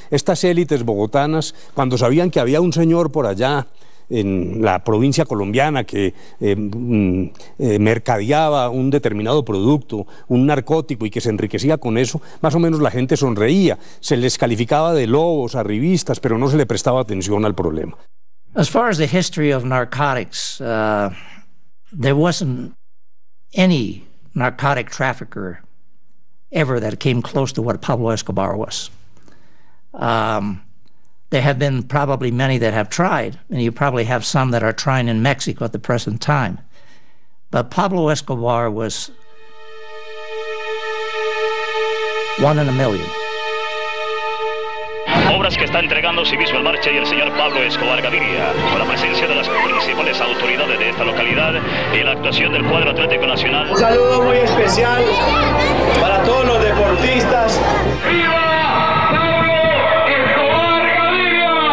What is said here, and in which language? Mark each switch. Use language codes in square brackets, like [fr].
[es] Estas élites bogotanas, cuando sabían que había un señor por allá en la provincia colombiana que mercadeaba un determinado producto, un narcótico, y que se enriquecía con eso, más o menos la gente sonreía, se les calificaba de lobos, arribistas, pero no se le prestaba atención al problema. [en] As far as the history of narcotics, there wasn't any narcotic trafficker ever that came close to what Pablo Escobar was. There have been probably many that have tried, and you probably have some that are trying in Mexico at the present time. But Pablo Escobar was one in a million. [es] Obras que está entregando Civismo en Marcha y el señor Pablo Escobar Gaviria, con la presencia de las principales autoridades de esta localidad y la actuación del cuadro atlético nacional. Un saludo muy especial para todos los deportistas. ¡Viva Pablo Escobar Gaviria!